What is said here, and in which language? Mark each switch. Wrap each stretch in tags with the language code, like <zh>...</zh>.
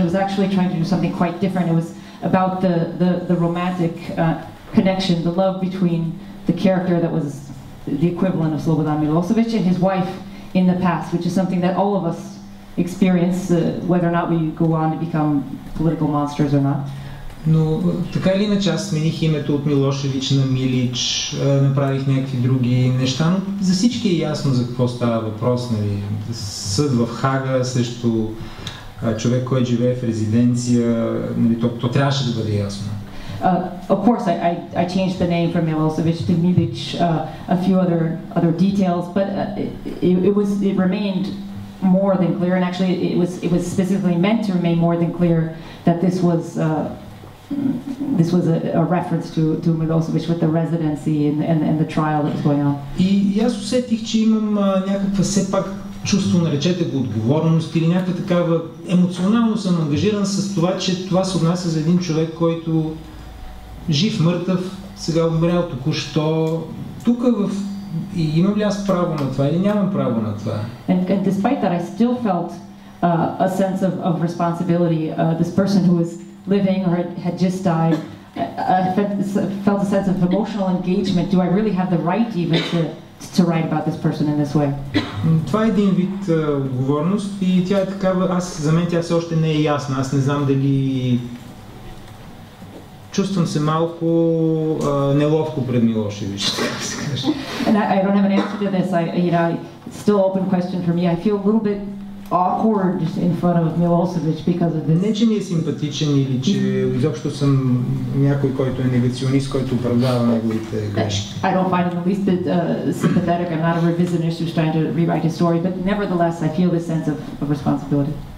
<en>It was actually trying to do something quite different. It was about the romantic connection, the love between the character that was the equivalent of Slobodan Milošević and his wife in the past, which is something that all of us experience, whether or not we go on to become political monsters or not.</en> <bg>Но така или иначе аз смених името от Милошевич на Милич, направих някакви други неща, но за всички е ясно за какво става въпрос. Нали? Съд в Хага срещу човек, който живее в резиденция, нали, то трябваше да бъде ясно.</bg> <en>Of course, I changed the name from Milošević to Milić, a few other details, but it remained more than clear, and actually it was specifically meant to remain more than clear that this was a reference to Milošević with the residency and the trial that was going on.</en> <bg>И аз усетих, че имам някаква все пак чувство, наречете го отговорност, или някаква такава емоционално съм ангажиран с това, че това се отнася за един човек, който жив, мъртъв, сега умрял току-що. Тук имам ли аз право на това или нямам право на това?</bg> <en>And despite that, I still felt a sense of responsibility. This person who was living or had just died, I felt a sense of emotional engagement. Do I really have the right even to write about this person in this way?</en> <bg>Това е един вид отговорност, и тя е такава, за мен тя все още не е ясна. Аз не знам дали чувствам се малко неловко пред Милошевич, така да се каже.</bg> <en>And I don't have an answer to this. It's still an open question for me. I feel a little bit awkward in front of Milošević because of this.</en> <bg>Не, че ми е симпатичен или че изобщо съм някой, който е негационист, който оправдава неговите грешки.</bg> <en>I don't find him at least sympathetic. I'm not a revisionist who's trying to rewrite his story, but nevertheless, I feel this sense of responsibility.</en>